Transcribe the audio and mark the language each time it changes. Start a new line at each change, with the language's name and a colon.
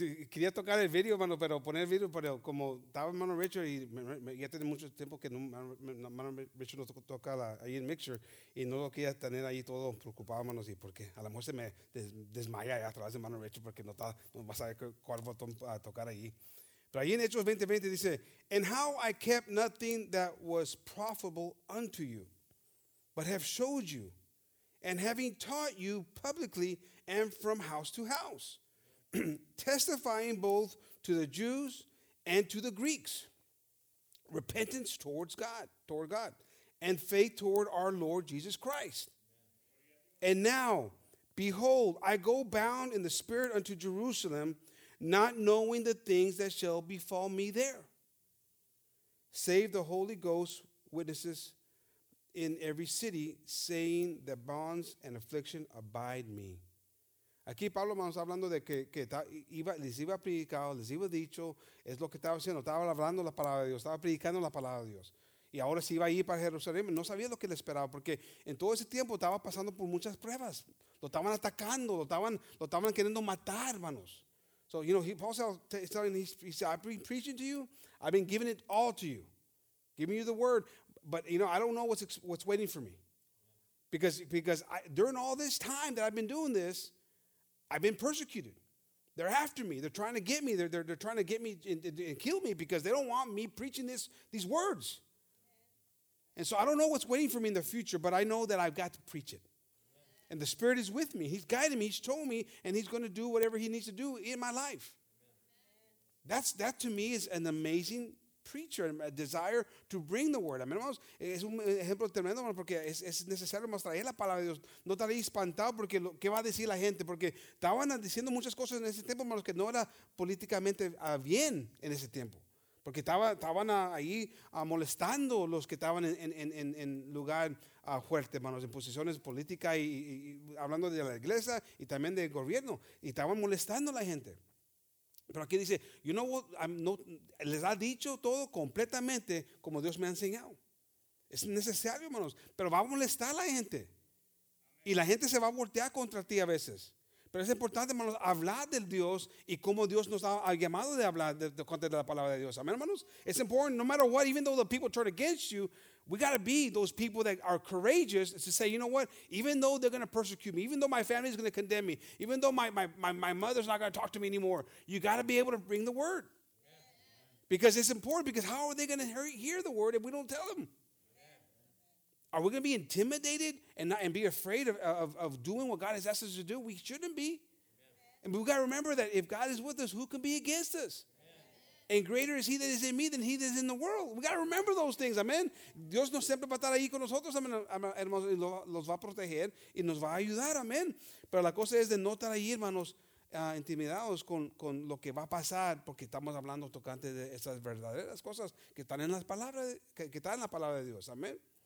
Spanish: Quería tocar el video, mano, pero poner el video, pero como estaba hermano Richard, y ya tiene mucho tiempo que hermano Richard no toca ahí en mixer, y no lo quería tener ahí todo preocupado, hermano, y porque a lo mejor se me desmaya a través de hermano Richard, porque no va a saber cuál botón a tocar ahí. Pero ahí en Hechos 20:20 dice,
English: and how I kept nothing that was profitable unto you, but have showed you, and having taught you publicly and from house to house, testifying both to the Jews and to the Greeks, repentance toward God, and faith toward our Lord Jesus Christ. And now, behold, I go bound in the Spirit unto Jerusalem, not knowing the things that shall befall me there, save the Holy Ghost witnesses in every city, saying that bonds and affliction abide me.
Spanish: Aquí Pablo está hablando de que les iba a predicar, les iba a dicho, es lo que estaba haciendo, estaba hablando la palabra de Dios, estaba predicando la palabra de Dios. Y ahora se iba a ir para Jerusalén, no sabía lo que le esperaba, porque en todo ese tiempo estaba pasando por muchas pruebas. Lo estaban atacando, lo estaban queriendo matar, hermanos.
English: So, you know, Paul said, I've been preaching to you, I've been giving it all to you, giving you the word, but, you know, I don't know what's waiting for me. Because during all this time that I've been doing this, I've been persecuted. They're after me. They're trying to get me. They're trying to get me and kill me because they don't want me preaching these words. And so I don't know what's waiting for me in the future, but I know that I've got to preach it. And the Spirit is with me. He's guiding me. He's told me, and He's going to do whatever He needs to do in my life. That to me is an amazing preacher, a desire to bring the word.
Spanish: Amén, hermanos, es un ejemplo tremendo, hermanos, porque es necesario mostrar la palabra de Dios. No estaré espantado porque qué va a decir la gente, porque estaban diciendo muchas cosas en ese tiempo, hermanos, que no era políticamente bien en ese tiempo, porque estaban ahí molestando los que estaban en lugar fuerte, hermanos, en posiciones políticas y hablando de la iglesia y también del gobierno, y estaban molestando a la gente. Pero aquí dice,
English: you know what,
Spanish: les ha dicho todo completamente como Dios me ha enseñado. Es necesario, hermanos, pero va a molestar a la gente. Y la gente se va a voltear contra ti a veces. Pero es importante, hermanos, hablar del Dios y cómo Dios nos ha llamado de hablar de la palabra de Dios. Amén, hermanos.
English: It's important, no matter what, even though the people turn against you, we got to be those people that are courageous to say, you know what, even though they're going to persecute me, even though my family is going to condemn me, even though my mother's not going to talk to me anymore, you got to be able to bring the word. Because it's important, because how are they going to hear the word if we don't tell them? Are we going to be intimidated and be afraid of doing what God has asked us to do? We shouldn't be. Amen. And we've got to remember that if God is with us, who can be against us? Amen. And greater is he that is in me than he that is in the world. We've got to remember those things. Amen.
Spanish: Dios no siempre va a estar ahí con nosotros. Amen. Hermanos, y los va a proteger y nos va a ayudar. Amen. Pero la cosa es de no estar ahí, hermanos, intimidados con lo que va a pasar, porque estamos hablando tocante de esas verdaderas cosas que están en las palabras, que están en la palabra de Dios. Amen.